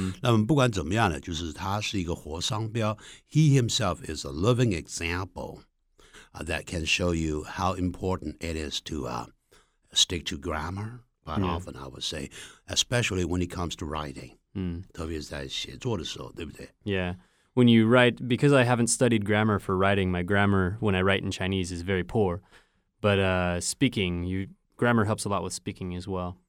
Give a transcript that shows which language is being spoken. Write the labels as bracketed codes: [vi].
[zh] 那么不管怎么样呢，就是他是一个活商标。 [en] He himself is a living example, that can show you how important it is to, stick to grammar. Quite often, I would say, especially when it comes to writing. [zh] 特别在写作的时候，对不对？ [en] Yeah. When you write, because I haven't studied grammar for writing, my grammar when I write in Chinese is very poor. But, speaking, you... Grammar helps a lot with speaking as well.